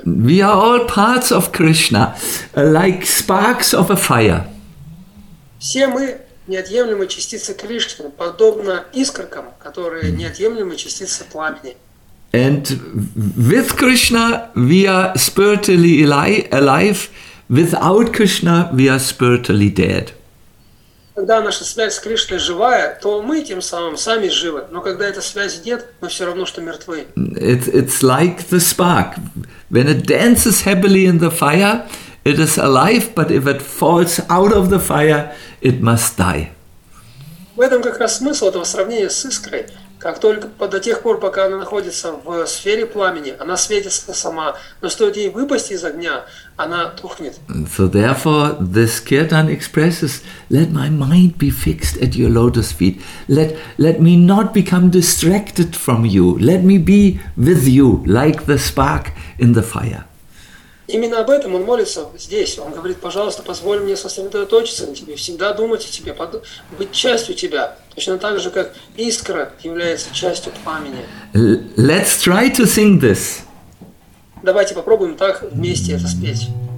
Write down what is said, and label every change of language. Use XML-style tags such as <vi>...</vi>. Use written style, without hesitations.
<en>We are all parts of Krishna, like sparks of a fire.</en> <ru>Все мы неотъемлемые частицы Кришны, подобно искоркам, которые неотъемлемые частицы пламени.</ru> <en>And with Krishna, we are spiritually alive. Without Krishna, we are spiritually dead.</en> <ru>Когда наша связь с Кришной живая, то мы тем самым сами живы. Но когда эта связь нет, мы все равно, что мертвы.</ru> <en>It's like the spark. When it dances happily in the fire, it is alive. But if it falls out of the fire, it must die.</en> <ru>В этом как раз смысл этого сравнения с искрой. Как только до тех пор, пока она находится в сфере пламени, она светится сама, но стоит ей выпасть из огня, она тухнет.</ru> <en>So therefore, this kirtan expresses, let my mind be fixed at your lotus feet. Let me not become distracted from you. Let me be with you, like the spark in the fire.</en> <ru>Именно об этом он молится здесь. Он говорит, пожалуйста, позволь мне сосредоточиться на тебе, всегда думать о тебе, быть частью тебя, точно так же, как искра является частью пламени.</ru> <en>Let's try to sing this.</en> <ru>Давайте попробуем так вместе это спеть.</ru>